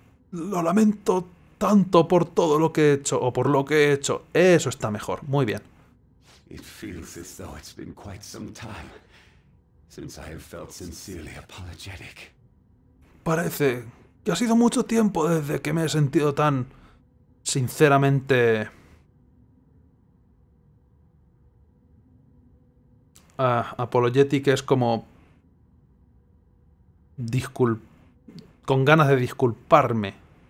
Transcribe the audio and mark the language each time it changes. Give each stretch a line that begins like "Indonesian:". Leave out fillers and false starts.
Spanish: Lo lamento tanto por todo lo que he hecho, o por lo que he hecho. Eso está mejor, muy bien.
English: It feels as though it's been quite some time since I have felt sincerely apologetic.
Spanish: Parece que ha sido mucho tiempo desde que me he sentido tan sinceramente apologetic es como con ganas de disculparme.